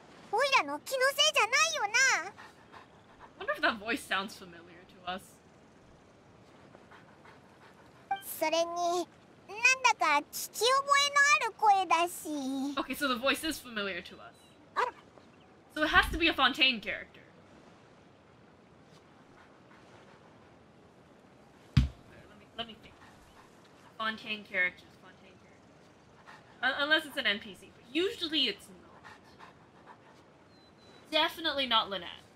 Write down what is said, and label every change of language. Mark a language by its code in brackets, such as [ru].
[ja] オイラの気のせいじゃないよな。 [en] I wonder if that voice sounds familiar to us. [ja] それに、なんだか聞き覚えのある声だし。 [en] Okay, so the voice is familiar to us. So it has to be a Fontaine character. Let me think. Fontaine characters. Unless it's an NPC, but usually it's not. Definitely not Lynette.